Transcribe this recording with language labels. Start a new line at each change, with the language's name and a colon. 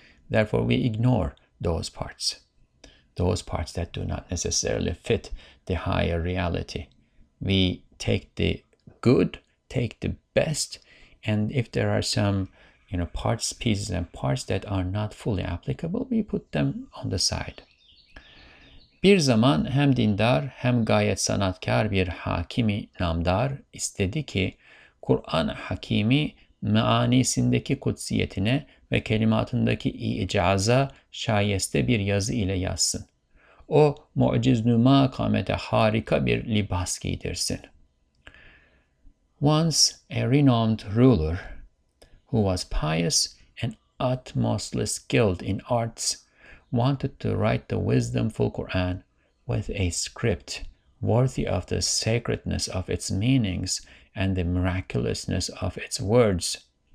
English: Therefore, we ignore those parts that do not necessarily fit the higher reality. We take the good, take the best, and if there are some, parts, pieces, and parts that are not fully applicable, we put them on the side.
Turkish: Bir zaman hem dindar hem gayet sanatkar bir hakimi namdar istedi ki Kur'an hakimi meanisindeki kutsiyetine ve kelimatındaki icaza şayeste bir yazı ile yazsın. O mu'ciznuma kamete harika bir libas giydirsin.
English: Once a renowned ruler who was pious and utmostly skilled in arts wanted to write the wisdomful Quran with a script worthy of the sacredness of its meanings and the miraculousness of its words,